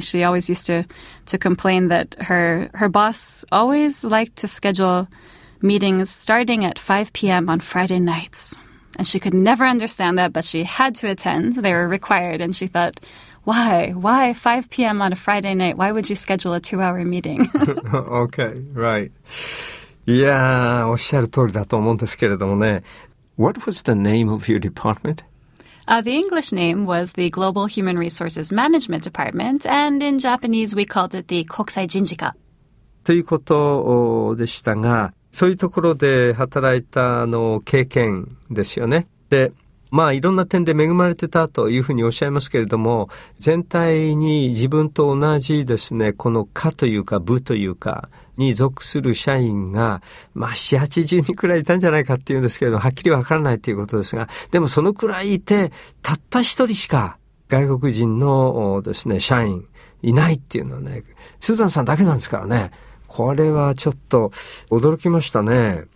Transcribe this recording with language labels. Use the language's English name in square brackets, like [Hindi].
[English] She always used to complain that her boss always liked to schedule meetings starting at 5 p.m. on Friday nights. And she could never understand that, but she had to attend. They were required. And she thought, why? Why 5 p.m. on a Friday night? Why would you schedule a two-hour meeting? Okay, right. [Japanese] Yeah, おっしゃる通りだと思うんですけれどもね。 [English] What was the name of your department? The English name was the Global Human Resources Management Department, and in Japanese we called it the 国際人事課。 [Japanese] ということでしたが、そういうところで働いたの経験ですよね。で、まあいろんな点で恵まれてたというふうにおっしゃいますけれども、全体に自分と同じですね、この課というか部というか、に属する社員が、まあ、四八十人くらいいたんじゃないかっていうんですけれども、はっきりわからないということですが、でもそのくらいいて、たった一人しか外国人のですね、社員いないっていうのはね、スーザンさんだけなんですからね、これはちょっと驚きましたね。